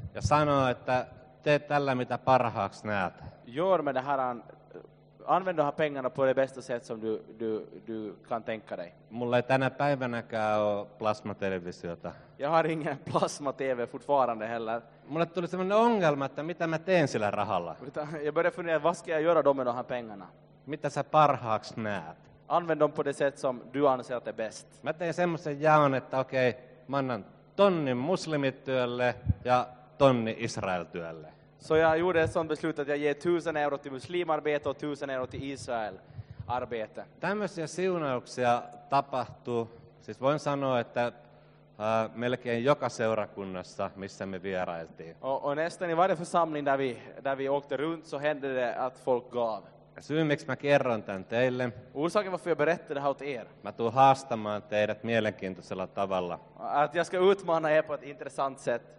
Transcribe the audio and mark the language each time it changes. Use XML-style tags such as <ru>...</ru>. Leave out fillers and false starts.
<fi>Ja sanoo, että tee tällä mitä parhaaksi näet.</fi> <sv>Gör med det här, använd de här pengarna på det bästa sätt som du kan tänka dig.</sv> <fi>Mulla ei tänä päivänäkään ole plasmatelevisiota.</fi> <sv>Jag har ingen plasma-tv fortfarande heller.</sv> <fi>Mulle tuli semmoinen ongelma, että mitä mä teen sillä rahalla.</fi> <sv>Jag började fundera, vad ska jag göra med de här pengarna?</sv> <fi>Mitä sä parhaaksi näet?</fi> <sv>Använd dem på det sätt som du anser att är bäst.</sv> <fi>Mä tein semmoisen jaon, että okei, mä annan 1 000 muslimityölle ja 1 000 Israel-työlle.</fi> <sv>Så jag gjorde ett sånt beslut att jag ger 1,000 euro till muslimarbete och 1,000 euro till Israel-arbete.</sv> <fi>Tämmöisiä siunauksia tapahtuu. Siis voin sanoa, että melkein joka seurakunnassa, missä me vierailtiin.</fi> <sv>Och nästan i varje församling där vi åkte runt så hände det att folk gav.</sv> <fi>Syy, miksi mä kerron tämän teille.</fi> <sv>Orsaken varför jag berättar det här åt er.</sv> <fi>Mä tuun haastamaan teidät mielenkiintoisella tavalla.</fi> <sv>Att jag ska utmana er på ett intressant sätt.</sv>